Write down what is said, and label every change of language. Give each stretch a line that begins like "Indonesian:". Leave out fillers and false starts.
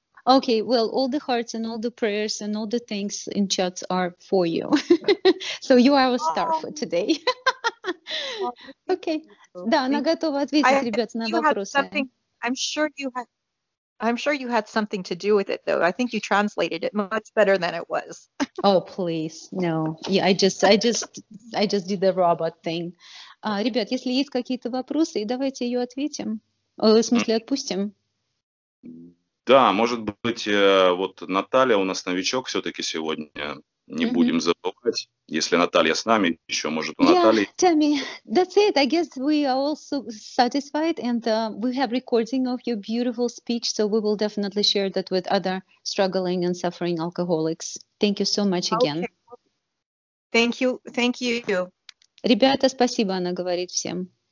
English: Okay, well, all the hearts and all the prayers and all the things in chats are for you. So you are our star for today. Okay.
Russian: Да, она готова ответить, ребята, на вопросы.
English: I'm sure you had something to do with it, though. I think you translated it much better than it was. Oh, please, no. Yeah, I just did the robot thing.
Russian: Ребят, если есть какие-то вопросы, давайте ее ответим. В смысле, отпустим. Да, может быть, вот Наталья у нас новичок все-таки сегодня. Не будем забывать, если Наталья с нами, еще может у Натальи.
English: Yeah, Tami, that's it. I guess we are also satisfied, and we have recording of your beautiful speech, so we will definitely share that with other struggling and suffering alcoholics. Thank you so much again. Okay. Thank you.
Russian: Ребята, спасибо, она говорит всем.